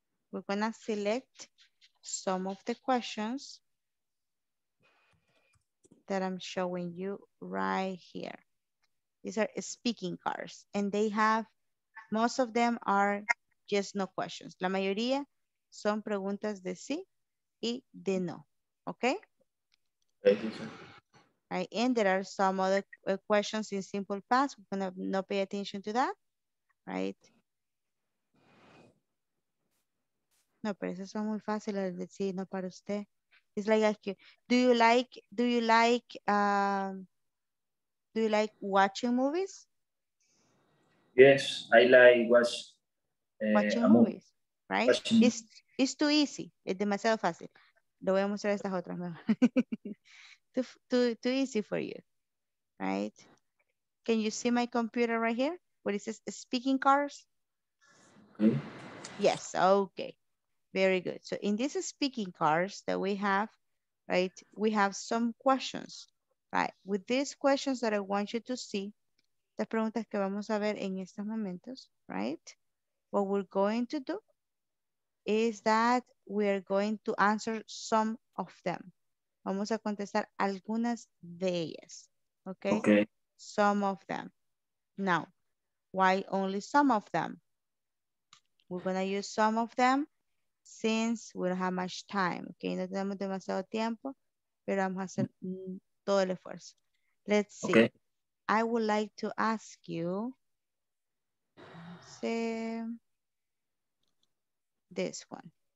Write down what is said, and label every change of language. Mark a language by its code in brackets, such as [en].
[en] We're gonna select some of the questions that I'm showing you right here. These are speaking cards, and they have, most of them are just no questions. [es] La mayoría son preguntas de sí y de no, okay? [en] Thank you, sir. Right, and there are some other questions in simple past. We're gonna not pay attention to that, right? [es] No, pero esas son muy fáciles de decir, no para usted. [en] It's like asking, do you like watching movies? Yes, I like watching movies, right? It's too easy. Es demasiado fácil. [es] Lo voy a mostrar a estas otras. too easy for you, right? [en] Can you see my computer right here? What is this? Speaking cards? Okay. Yes, okay. Very good. So in these speaking cards that we have, right, we have some questions, right? With these questions that I want you to see, las preguntas que vamos a ver en estos momentos, right? What we're going to do is that we are going to answer some of them. [es] Vamos a contestar algunas de ellas, okay? [en] Okay. Some of them. Now, why only some of them? We're going to use some of them since we don't have much time, okay? [es] No tenemos demasiado tiempo, pero vamos a hacer todo el esfuerzo. [en] Let's see. Okay. I would like to ask you, say, this one.